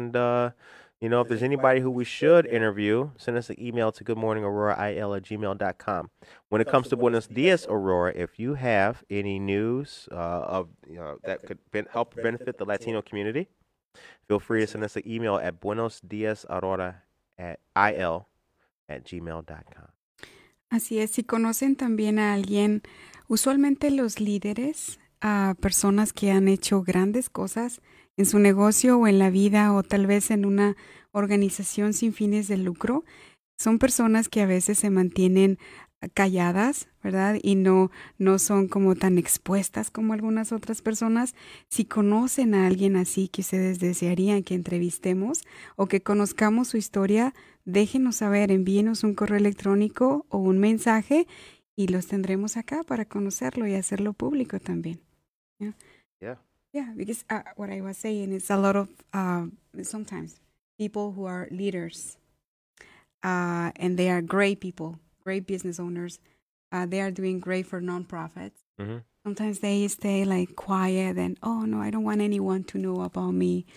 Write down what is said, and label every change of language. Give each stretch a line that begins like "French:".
English: And, if there's anybody who we should interview, send us an email to goodmorningaurorail@gmail.com. When it comes to Buenos Dias, Aurora, if you have any news that could help benefit the Latino community, feel free to send us an email at buenosdiasaurora@il@gmail.com.
Spanish: Así es, si conocen también a alguien, usualmente los líderes, personas que han hecho grandes cosas en su negocio o en la vida o tal vez en una organización sin fines de lucro, son personas que a veces se mantienen calladas, ¿verdad? Y no son como tan expuestas como algunas otras personas. Si conocen a alguien así que ustedes desearían que entrevistemos o que conozcamos su historia, déjenos saber, envíenos un correo electrónico o un mensaje y los tendremos acá para conocerlo y hacerlo público también.
English: Yeah, because what I was saying is a lot of sometimes people who are leaders and they are great people, great business owners, they are doing great for nonprofits. Mm-hmm. Sometimes they stay like quiet and, oh no, I don't want anyone to know about me.